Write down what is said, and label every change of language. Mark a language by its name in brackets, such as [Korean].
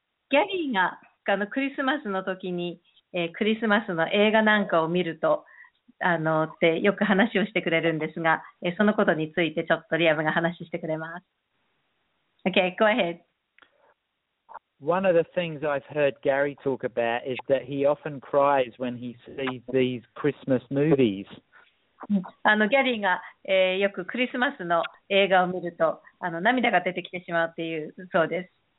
[Japanese] ギャリーがクリスマスの時に、クリスマスの映画なんかを見るとってよく話をしてくれるんですが、そのことについてちょっとリアムが話してくれます。 [English] Okay, go ahead. One of the things I've heard Gary talk about is that he often cries when he sees these Christmas movies. [Japanese] ギャリーが、よくクリスマスの映画を見ると涙が出てきてしまうっていうそうです。